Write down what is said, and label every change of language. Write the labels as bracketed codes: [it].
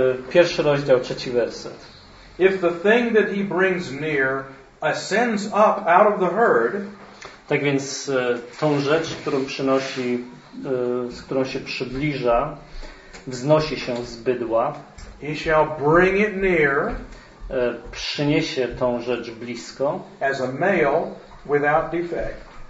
[pl] Pierwszy rozdział, trzeci werset. [en] If the thing that he brings near ascends up out of the herd, [pl] tak więc tą rzecz, którą przynosi, z którą się przybliża, wznosi się z bydła, [en] he shall bring it near, [pl] przyniesie tą rzecz blisko, [en] as a male without defect,